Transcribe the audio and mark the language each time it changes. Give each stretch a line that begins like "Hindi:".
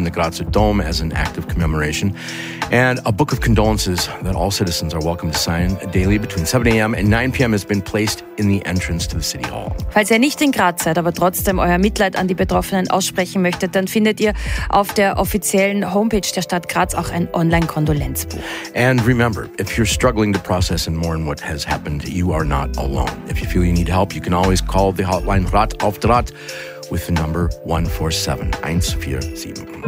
English: in the Grazer Dome as an act of commemoration. And a book of condolences that all citizens are welcome to sign daily between 7 a.m. and 9 p.m. has been placed in the entrance to the city hall.
German: Falls ihr nicht in Graz seid, aber trotzdem euer Mitleid an die Betroffenen aussprechen möchtet, dann findet ihr auf der offiziellen Homepage der Stadt Graz auch ein Online-Kondolenzbuch.
English: And remember, if you're struggling to process and mourn what has happened, you are not alone. If you feel you need help, you can always call the hotline Rat auf Draht with the number 147-147.